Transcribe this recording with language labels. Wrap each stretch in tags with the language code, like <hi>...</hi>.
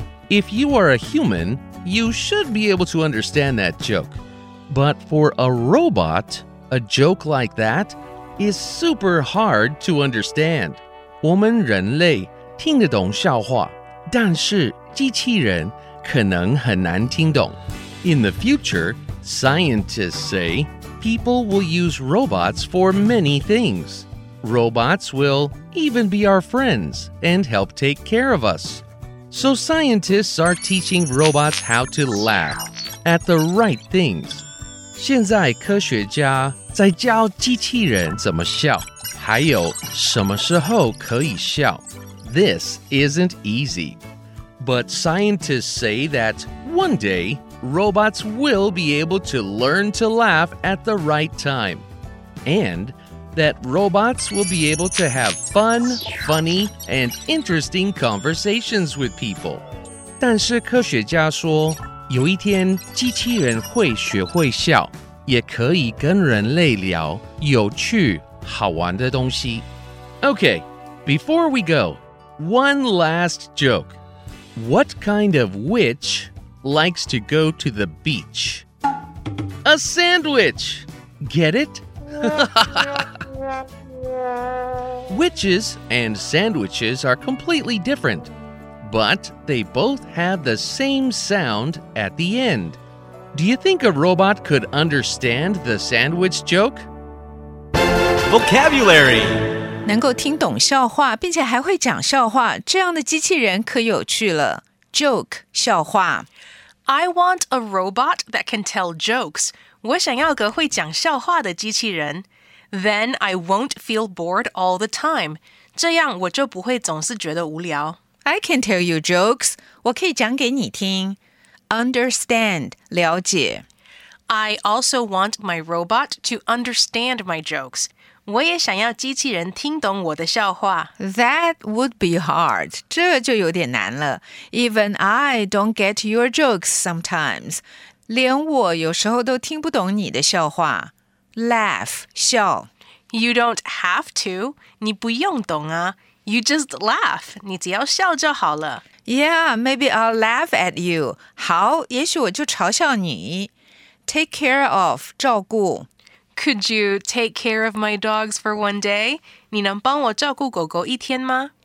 <en>If you are a human, you should be able to understand that joke. But for a robot, a joke like that is super hard to understand.</en> <zh>我们人类听得懂笑话，但是机器人可能很难听懂。</zh> <en>In the future, scientists say people will use robots for many things. Robots will even be our friends and help take care of us. So scientists are teaching robots how to laugh at the right things.</en> <zh>现在科学家在教机器人怎么笑，还有什么时候可以笑。</zh> <en>This isn't easy. But scientists say that one day, robots will be able to learn to laugh at the right time. And that robots will be able to have fun, funny, and interesting conversations with people.</en> <zh>但是科学家说，有一天机器人会学会笑，也可以跟人类聊有趣好玩的东西。</zh> <en>Okay, before we go, one last joke. What kind of witch likes to go to the beach? A sand-wich! Get it? Witches and sand-wiches are completely different, but they both have the same sound at the end. Do you think a robot could understand the sand-wich joke? Vocabulary!</en> <zh>能够听懂笑话并且还会讲笑话，这样的机器人可有趣了。 Joke 笑话。</zh> <en>I want a robot that can tell jokes.</en> <zh>我想要个会讲笑话的机器人。</zh> <en>Then I won't feel bored all the time.</en> <zh>这样我就不会总是觉得无聊。</zh> <en>I can tell you jokes.</en> <zh>我可以讲给你听。</zh> <en>Understand 了解。 I also want my robot to understand my jokes.</en> <zh>我也想要机器人听懂我的笑话。</zh> <en>That would be hard.</en> <zh>这就有点难了。</zh> <en>Even I don't get your jokes sometimes.</en> <zh>连我有时候都听不懂你的笑话。 Laugh, 笑。</zh> <en>You don't have to.</en> <zh>你不用懂啊。</zh> <en>You just laugh.</en> <zh>你只要笑就好了。</zh> <en>Yeah, maybe I'll laugh at you.</en> <zh>好，也许我就嘲笑你。</zh> <en>Take care of, 照顾。 Could you take care of my dogs for one day?</en> <zh>你能帮我照顾狗狗一天吗?</zh>